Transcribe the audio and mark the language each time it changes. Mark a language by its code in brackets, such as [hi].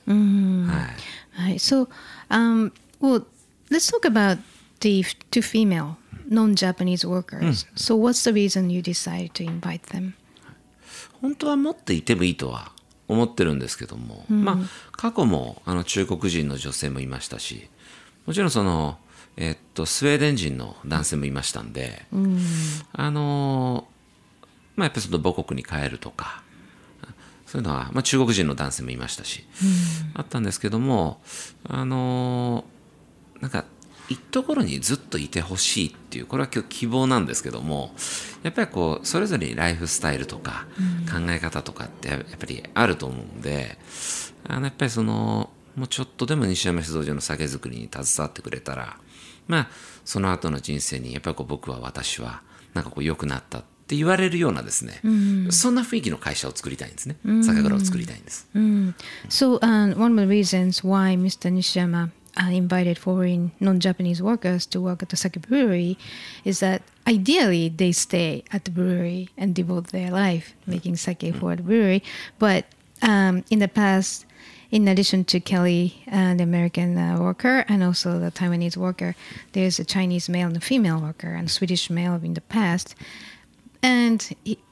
[en] So, well, let's talk about the two female. Non-Japanese workers. So what's the reason you decided to invite them? [ja] 本当は持っていてもいいとは思ってるんですけども、まあ過去も中国人の女性もいましたし、もちろんそのスウェーデン人の男性もいましたんで、まあやっぱその母国に帰るとか、そういうのは、まあ、中国人の男性もいましたし、あったんですけども、なんか。一ところにずっといてほしいっていう、これは今日希望なんですけども、やっぱりこうそれぞれにライフスタイルとか考え方とかってやっぱりあると思うんで、やっぱりそのもうちょっとでも西山酒造所の酒造りに携わってくれたら、まあその後の人生にやっぱりこう僕は私はなんかこう良くなったって言われるようなですね、そんな雰囲気の会社を作りたいんですね、酒蔵を作りたいんです、 [en] So one of the reasons why Mr. NishiyamaInvited foreign non-Japanese workers to work at the sake brewery is that ideally they stay at the brewery and devote their life making sake for the brewery. But in the past, in addition to Kelly, the American worker, and also the Taiwanese worker, there's a Chinese male and a female worker and a Swedish male in the past. And Mr.